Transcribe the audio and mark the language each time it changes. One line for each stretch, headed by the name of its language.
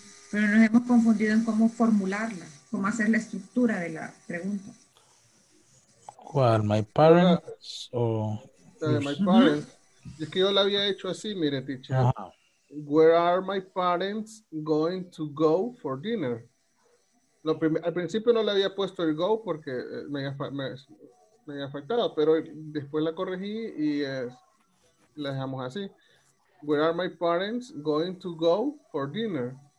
Spanish: Pero nos hemos confundido en cómo formularla, cómo hacer la estructura de la pregunta. ¿Cuál?
English: ¿My parents?
Spanish: O
English: my parents. Uh-huh.
Spanish: Es que yo la había hecho así, mire, teacher. Uh-huh.
English: Where are my parents going to go for dinner?
Spanish: Al principio no le había puesto el go porque me había faltado, pero después la corregí y la dejamos así.
English: Where are my parents going to go for dinner?